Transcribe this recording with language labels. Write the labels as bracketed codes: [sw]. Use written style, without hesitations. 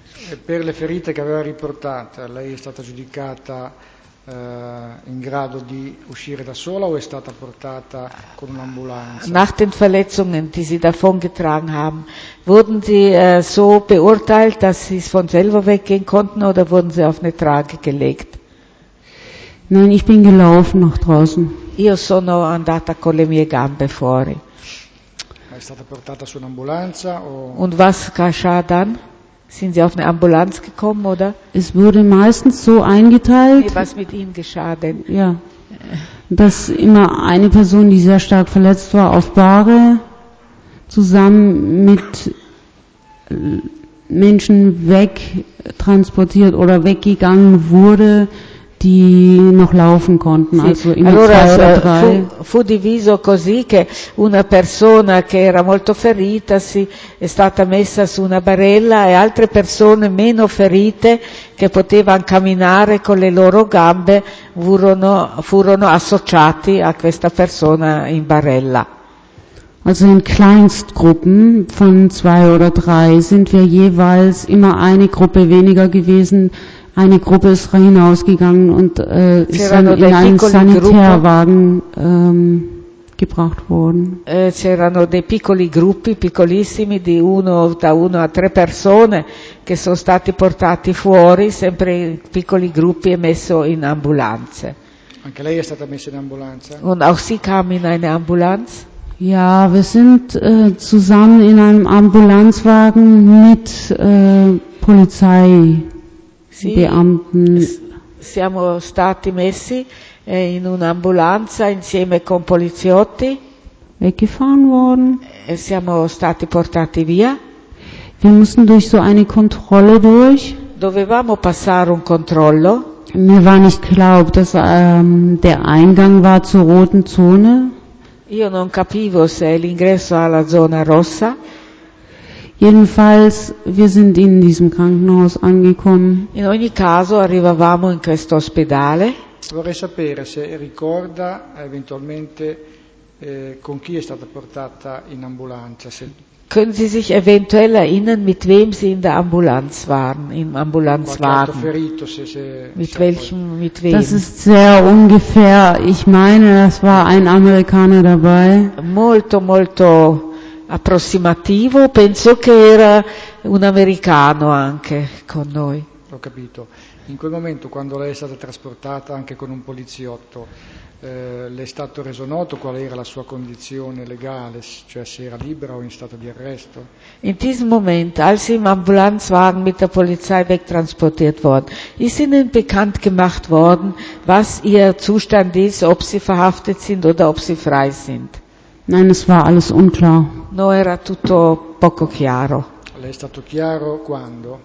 [it] E per le ferite che aveva riportato, lei è stata giudicata in grado di uscire da sola o è stata portata con un'ambulanza? [de] Nach den Verletzungen, die sie davon getragen haben, wurden sie so beurteilt, dass sie es von selber weggehen konnten oder wurden sie auf eine Trage gelegt? Nein, ich bin gelaufen nach draußen. [it] Io sono andata con le mie gambe fuori. È stata portata su un'ambulanza o? [de] Und was geschah dann? Sind Sie auf eine Ambulanz gekommen, oder? Es wurde meistens so eingeteilt. Was mit Ihnen geschah denn? Ja, dass immer eine Person, die sehr stark verletzt war, auf Bahre zusammen mit Menschen wegtransportiert oder weggegangen wurde, die noch laufen konnten, sì. Also immer [it] allora, [de] zwei oder drei. [it] Fu diviso così che una persona che era molto ferita si è stata messa su una barella e altre persone meno ferite che potevano camminare con le loro gambe furono associati a questa persona in barella. [de] Also in Kleinstgruppen von zwei oder drei sind wir jeweils immer eine Gruppe weniger gewesen. Eine Gruppe ist hinausgegangen und ist dann in einen Sanitärwagen gebracht worden. [it] C'erano dei piccoli gruppi, piccolissimi, di uno da uno a tre persone, che sono stati portati fuori, sempre in piccoli gruppi e messo in ambulanze. Anche lei è stata messa in ambulanza? [de] Und auch sie kam in eine Ambulanz? Ja, wir sind zusammen in einem Ambulanzwagen mit Polizei. Beamten. [it] Siamo stati messi in un'ambulanza insieme con poliziotti. [de] Weggefahren worden. [it] E siamo stati portati via. [de] Wir mussten durch so eine Kontrolle durch. [it] Dovevamo passare un controllo. [de] Mir war nicht klar, ob das der Eingang war zur roten Zone. [it] Io non capivo se è l'ingresso alla zona rossa. [de] Jedenfalls, wir sind in diesem Krankenhaus angekommen. [it] In ogni caso, arrivavamo in questo ospedale. Vorrei sapere se ricorda eventualmente con chi è stata portata in ambulanza. Se... [de] Können Sie sich eventuell erinnern, mit wem Sie in der Ambulanz waren, im Ambulanzwagen? [it] Ferito, [de] mit wem? Das ist sehr ungefähr. Ich meine, das war ein Amerikaner dabei. [it] Molto, molto approssimativo, penso che era un americano anche con noi. Ho capito. In quel momento, quando lei è stata trasportata anche con un poliziotto, le è stato reso noto qual era la sua condizione legale, cioè se era libera o in stato di arresto? [de] In diesem Moment, als sie im Ambulanzwagen mit der Polizei wegtransportiert worden, ist ihnen bekannt gemacht worden, was ihr Zustand ist, ob sie verhaftet sind oder ob sie frei sind? Nein, es war alles unklar. [it] No, era tutto poco chiaro. Le è stato chiaro quando?